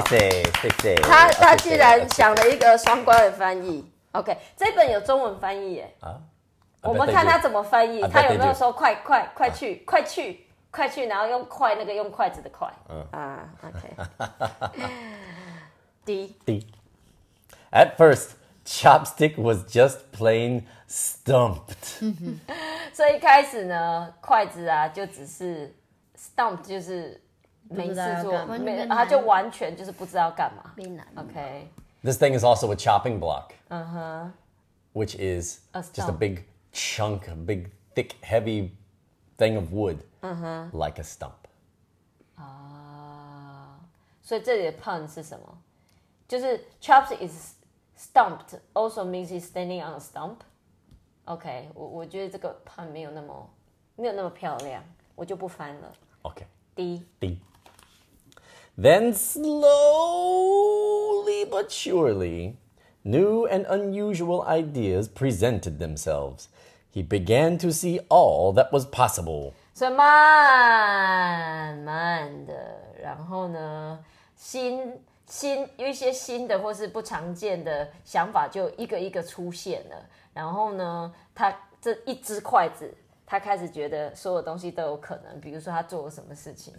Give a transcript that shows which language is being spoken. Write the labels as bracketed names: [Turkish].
[Chinese] 谢谢。他居然想了一个双关的翻译。OK， 这本有中文翻译耶。我们看他怎么翻译，他有没有说快快快去快去快去，然后用快那个用筷子的快。 [English] OK。 D. At first, Chopstick was just plain stumped. [Chinese] 所以一开始呢，筷子啊就只是 stumped 就是。没事做，他就完全就是不知道干嘛。 [English] OK. This thing is also a chopping block. Uh-huh. Which is just a big chunk, a big, thick, heavy thing of wood. Uh-huh. Like a stump. [Chinese] 所以这里的 pun 是什么？ [English] 就是 chops is stumped, also means he's standing on a stump. [Chinese] OK, 我觉得这个 pun 没有那么漂亮，我就不翻了。 [English] OK. D. Then slowly but surely, new and unusual ideas presented themselves. He began to see all that was possible. [Chinese] So, 慢慢的，然后呢，新有一些新的或是不常见的想法就一个一个出现了。然后呢，他这一只筷子。他开始觉得所有东西都有可能，比如说他做了什么事情。